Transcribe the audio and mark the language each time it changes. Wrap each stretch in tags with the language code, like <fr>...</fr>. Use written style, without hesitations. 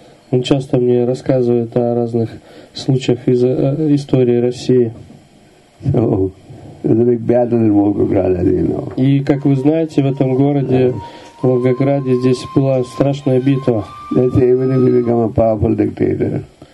<ru>Он часто мне рассказывает о разных случаях из истории России.</ru> <en>So, there's a big battle in Volgograd, as you know.</en> <ru>И, как вы знаете, в этом городе, в Волгограде, здесь была страшная битва.</ru> <en>Let's say, even if you become a powerful dictator.</en>